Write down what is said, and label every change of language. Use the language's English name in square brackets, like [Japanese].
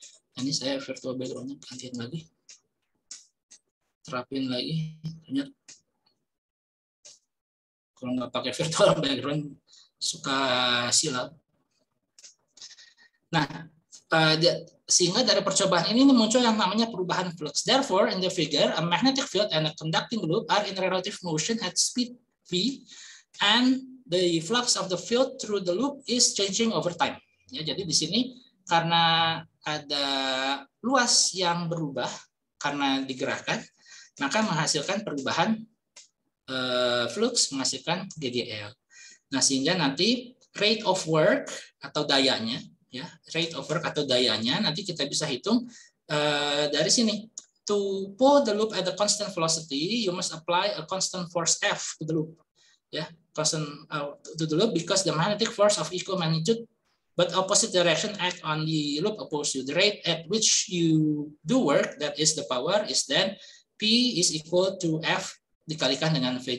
[Indonesian] Ini saya virtual background-nya gantiin lagi, terapin lagi. Kalau nggak pakai virtual background suka silap. Sehingga dari percobaan ini muncul yang namanya perubahan flux. [English] Therefore, in the figure, a magnetic field and a conducting loop are in relative motion at speed v, and the flux of the field through the loop is changing over time. [Indonesian] Ya, jadi di sini karena ada luas yang berubah karena digerakkan, maka menghasilkan perubahan flux, menghasilkan GGL. Nah, sehingga nanti rate of work atau dayanya, ya, rate of work atau dayanya nanti kita bisa hitung dari sini. [English] To pull the loop at a constant velocity, you must apply a constant force F to the loop. Ya, constant to the loop because the magnetic force of equal magnitude but opposite direction act on the loop opposed to the rate at which you do work, that is the power, is then P is equal to F [Indonesian] dikalikan dengan V.